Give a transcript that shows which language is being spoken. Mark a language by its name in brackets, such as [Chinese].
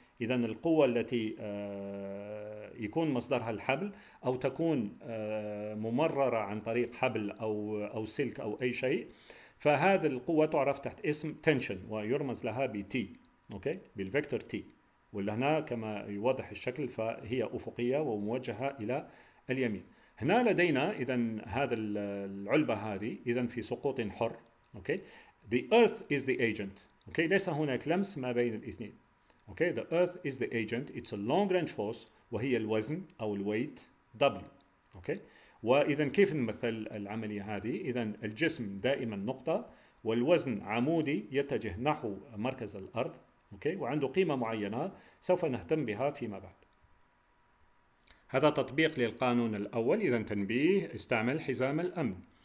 [Arabic] إذن القوة التي يكون مصدرها الحبل أو تكون ممررة عن طريق حبل أو سلك أو أي شيء، فهذه القوة تعرف تحت اسم تنشن ويرمز لها بـ T، أوكي؟ بالفيكتور T، واللي هنا كما يوضح الشكل فهي أفقية وموجهة إلى اليمين. هنا لدينا إذن هذا العلبة هذه إذن في سقوط حر، أوكي؟ [English] The earth is the agent، [Arabic] أوكي؟ ليس هناك لمس ما بين الاثنين. [English] Okay, the earth is the agent. It's a long range force [Arabic] وهي الوزن أو الويت W. Okay, وإذا كيف نمثل العملية هذه؟ إذا الجسم دائما نقطة والوزن عمودي يتجه نحو مركز الأرض. Okay, وعنده قيمة معينة سوف نهتم بها فيما بعد. هذا تطبيق للقانون الأول. إذا تنبيه، استعمل حزام الأمن.